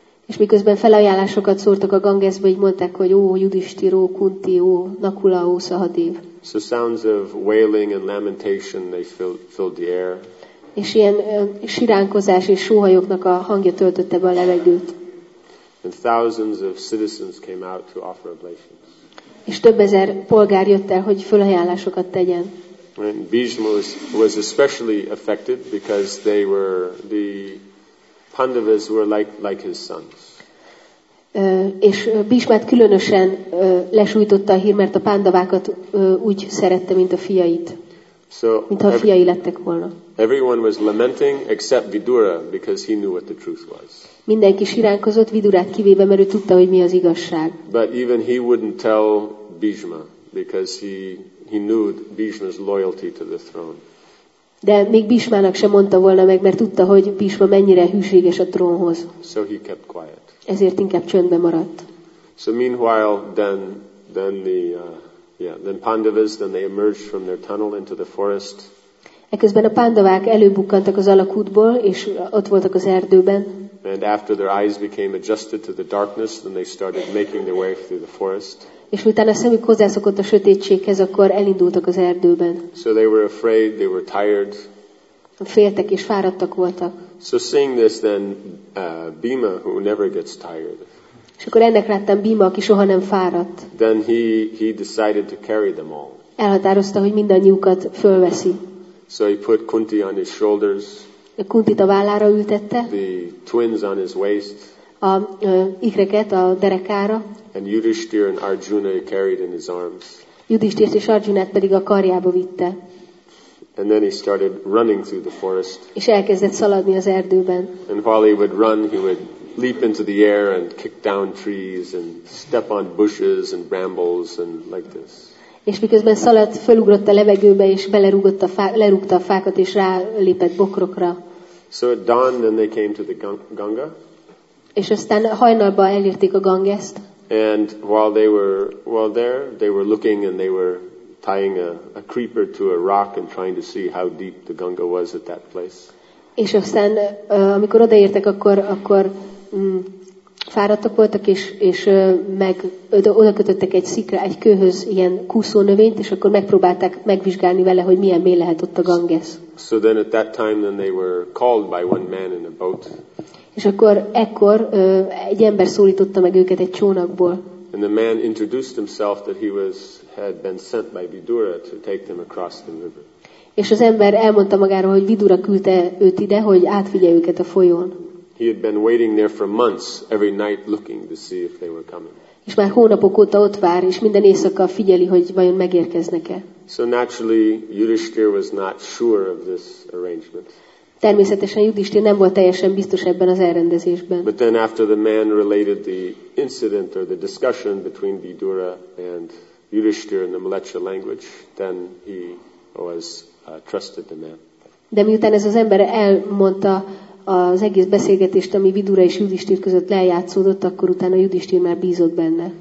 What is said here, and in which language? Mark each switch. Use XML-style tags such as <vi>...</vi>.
<hu>És miközben felajánlásokat szórtak a Gangesbe, így mondták, hogy oh Yudhishthir, oh Kunti, oh Nakula, oh Sahadev.</hu> <en>So sounds of wailing and lamentation, they filled the air.</en> <hu>És ilyen siránkozás és sóhajoknak a hangja töltötte be a levegőt.</hu> <en>And thousands of citizens came out to offer oblations.</en> <hu>És több ezer polgár jött el, hogy fölajánlásokat tegyen.</hu> <en>And Bhishma was especially affected because they were the Pandavas were like his sons.</en> <hu>És Bhishmát különösen lesújtotta a hír, mert a Pandavákat úgy szerette, mint a fiait.</hu> <en>So</en> <hu>mintha a fiai lettek volna.</hu> <en>Everyone was lamenting except Vidura because he knew what the truth was.</en> <hu>Mindenki siránkozott Vidurát kivéve, mert ő tudta, hogy mi az igazság.</hu> <en>But even he wouldn't tell Bhishma because he knew Bhishma's loyalty to the throne.</en> <hu>De még Bhishmának sem mondta volna meg, mert tudta, hogy Bhishma mennyire hűséges a trónhoz.</hu> <en>So he kept quiet.</en> <hu>Ezért inkább csöndbe maradt.</hu> <en>So meanwhile then Pandavas, then they emerged from their tunnel into the forest.</en> <hu>Eközben a pándavák előbukkantak az alagútból, és ott voltak az erdőben.</hu> <en>And after their eyes became adjusted to the darkness, then they started making their way through the forest.</en> <hu>És miután a szemük hozzászokott a sötétséghez, akkor elindultak az erdőben.</hu> <en>So they were afraid, they were tired.</en> <hu>Féltek és fáradtak voltak.</hu> <en>So seeing this, then Bhima, who never gets tired.</en> <hu>És akkor ennek láttam Bhima, aki soha nem fáradt.</hu> <en>Then he decided to carry them all.</en> <hu>Elhatározta, hogy mindannyiukat fölveszi.</hu> <en>So he put Kunti on his shoulders.</en> <hu>A Kuntit a vállára ültette.</hu> <en>The twins on his waist.</en> <hu>A ikreket a derekára.</hu> <en>And Yudhishthir and Arjuna he carried in his arms.</en> <hu>Yudhishthir és Arjunát pedig a karjába vitte.</hu> <en>And then he started running through the forest.</en> <hu>És elkezdett szaladni az erdőben.</hu> <en>And while he would run, he would leap into the air and kick down trees and step on bushes and brambles and like this.</en> <hu>És miközben szaladt, fölugrott a levegőbe, és belerúgott a fá, lerúgta a fákat, és rálépett bokrokra.</hu> <en>So at dawn, then they came to the Ganga.</en> <hu>És aztán hajnalban elérték a Gangest.</hu> <en>And while they were there, they were looking and they were tying a creeper to a rock and trying to see how deep the Ganga was at that place.</en> <hu>És aztán, amikor odaértek, akkor fáradtak voltak, és meg oda kötöttek egy szikra, egy kőhöz ilyen kúszó növényt, és akkor megpróbálták megvizsgálni vele, hogy milyen mély lehet ott a Ganges.</hu> <en>So then at that time then they were called by one man in a boat.</en> <hu>És akkor ekkor egy ember szólította meg őket egy csónakból.</hu> <en>And the man introduced himself that he was had been sent by Vidura to take them across the river.</en> <hu>És az ember elmondta magáról, hogy Vidura küldte őt ide, hogy átvigye őket a folyón.</hu> <en>He had been waiting there for months, every night looking to see if they were coming.</en> <hu>És már hónapok óta ott vár, és minden éjszaka figyeli, hogy vajon megérkeznek-e.</hu> <en>So naturally, Yudhishthir was not sure of this arrangement.</en> <hu>Természetesen Yudhishthir nem volt teljesen biztos ebben az elrendezésben.</hu> <en>But then after the man related the incident or the discussion between Vidura and Yudhishthir in the Mlecha language, then he was trusted the man.</en> <hu>De miután ez az ember elmondta az egész beszélgetést, ami Vidura és Yudhishthir között lejátszódott, akkor utána Yudhishthir már bízott benne.</hu>